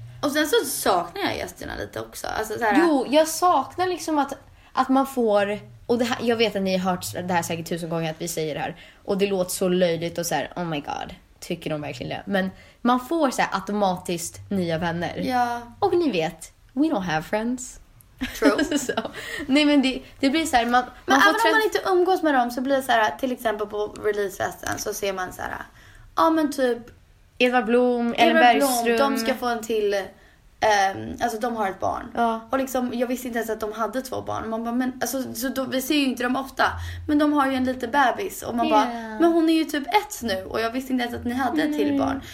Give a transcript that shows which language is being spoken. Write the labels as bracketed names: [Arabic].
[Swedish] Och sen så saknar jag gästerna lite också. Alltså, så här... Jo, jag saknar liksom att man får... Och det här, jag vet att ni har hört det här säkert 1000 gånger att vi säger det här. Och det låter så löjligt och så här, [English] oh my god, [Swedish] tycker de verkligen det? Men man får så här automatiskt nya vänner. Ja. Och ni vet, [English] we don't have friends. True. [Swedish] Så, nej men det blir så här, man men även om man inte umgås med dem så blir det så här, till exempel på releasefesten så ser man så här, ja men typ... Edvard Blom, Ellen Bergström. De ska få en till... alltså de har ett barn. Ja. Och liksom jag visste inte ens att de hade två barn. Man bara, men alltså så då, vi ser ju inte dem ofta, men de har ju en liten bebis och man bara, men hon är ju typ ett nu och jag visste inte ens att ni hade ett till barn.